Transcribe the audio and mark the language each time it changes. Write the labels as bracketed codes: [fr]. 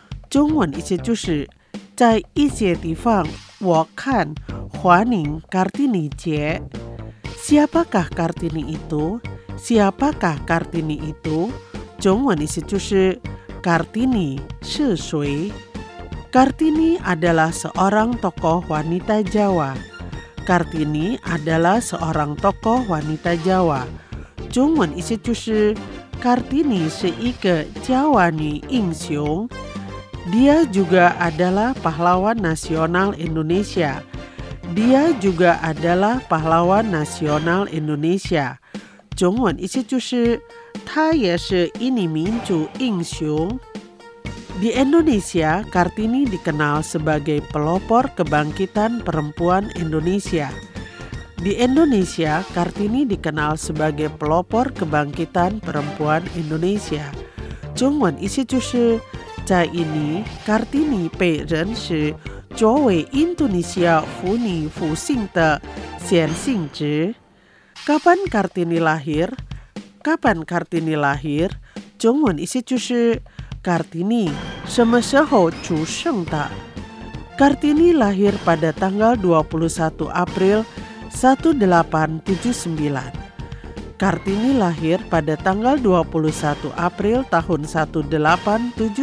[zh] 中文意思就是在一些地方我看欢迎 Kartini 节。 [id] Siapakah Kartini itu? Siapakah Kartini itu? [zh] 中文意思就是 Kartini 是谁。 [id] Kartini adalah seorang tokoh wanita Jawa. Kartini adalah seorang tokoh wanita Jawa. [zh] 中文意思就是 Kartini 是一个 Jawa 女英雄。 [id] Dia juga adalah pahlawan nasional Indonesia. Dia juga adalah pahlawan nasional Indonesia. [zh] 中文意思就是她也是印尼民族英雄。 [id] Di Indonesia, Kartini dikenal sebagai pelopor kebangkitan perempuan Indonesia. Di Indonesia, Kartini dikenal sebagai pelopor kebangkitan perempuan Indonesia. [zh] 中文意思就是，在印尼， Kartini 被认识作为 Indonesia 妇女复兴的先行者。 [id] Kapan Kartini lahir? Kapan Kartini lahir? [zh] 中文意思就是Kartini, 什么时候出生的？ [id] Kartini lahir pada tanggal 21 April 1879. Kartini lahir pada tanggal 21 April tahun 1879.